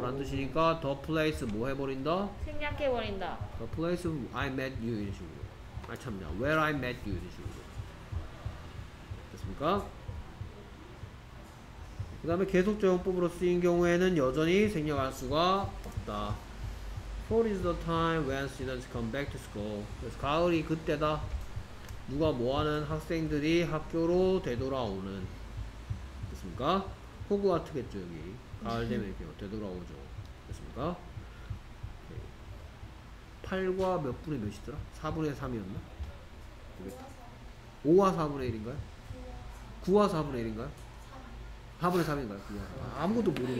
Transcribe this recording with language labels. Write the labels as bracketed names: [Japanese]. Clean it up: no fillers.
[Korean] 라는 뜻이니까 the place 뭐 해버린다? 생략해버린다. [English] the place I met you [Korean] 이런 식으로. 아 참냐 [English] where I met you [Korean] 이런 식으로. 됐습니까? 그 다음에 계속 적용법으로 쓰인 경우에는 여전히 생략할 수가 없다. [English] Fall is the time when students come back to school. [Korean] 그래서 가을이 그때다. 누가 뭐하는 학생들이 학교로 되돌아오는. 됐습니까? 호그와트겠죠 여기. 가을 되면 이렇게 되돌아오죠. 됐습니까? 8과 몇 분의 몇이더라? 4분의 3이었나? 모르겠다. 5와 4분의 1인가요? 9와 4분의 1인가요? 4분의 3인가요? 그냥. 아무것도 모르겠네.